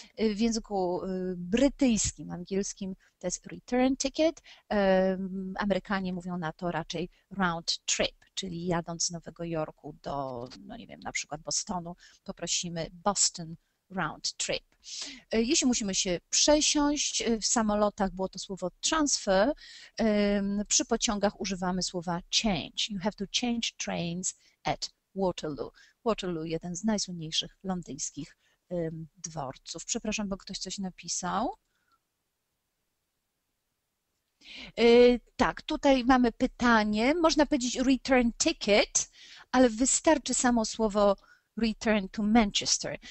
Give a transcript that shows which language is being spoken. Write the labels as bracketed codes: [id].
[pl] W języku brytyjskim, angielskim to jest return ticket, Amerykanie mówią na to raczej round trip, czyli jadąc z Nowego Jorku do, no nie wiem, na przykład Bostonu, poprosimy Boston round trip. Jeśli musimy się przesiąść, w samolotach było to słowo transfer, przy pociągach używamy słowa change. [en] You have to change trains at Waterloo. [pl] Waterloo, jeden z najsłynniejszych londyńskich dworców. Przepraszam, bo ktoś coś napisał. Tak, tutaj mamy pytanie. Można powiedzieć return ticket, ale wystarczy samo słowo return to Manchester.